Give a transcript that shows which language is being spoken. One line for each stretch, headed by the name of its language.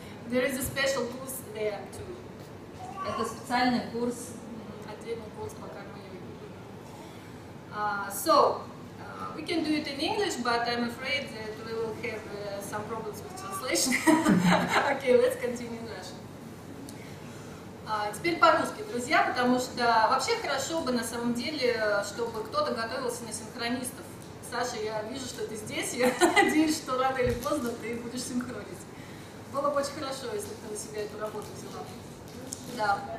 English: There is a special course there too.
Russian: Это специальный курс. Отдельный курс по Karma Yoga.
English: So, we can do it in English, but I'm afraid that we will have some problems with translation. Okay, let's continue in Russian.
Russian: Теперь по-русски, друзья, потому что вообще хорошо бы на самом деле, чтобы кто-то готовился на синхронистов. Саша, я вижу, что ты здесь, я надеюсь, что рано или поздно ты будешь синхронить. Было бы очень хорошо, если бы ты на себя эту работу взяла. Да.